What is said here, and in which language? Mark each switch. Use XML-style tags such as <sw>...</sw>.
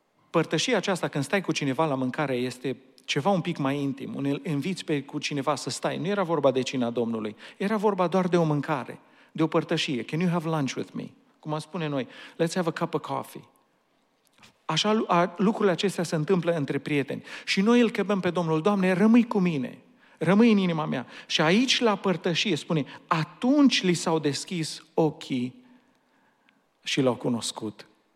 <ro>Părtășia aceasta, când stai cu cineva la mâncare, este ceva un pic mai intim, îl înviți pe cu cineva să stai. Nu era vorba de cina Domnului, era vorba doar de o mâncare, de o părtășie.</ro> <en>Can you have lunch with me?</en> <ro>Cum am spune noi,</ro> <en>let's have a cup of coffee.</en> <ro>Așa lucrurile acestea se întâmplă între prieteni. Și noi îl chemăm pe Domnul, Doamne, rămâi cu mine, rămâi în inima mea. Și aici la părtășie spune, atunci li s-au deschis ochii și L-au cunoscut.</ro>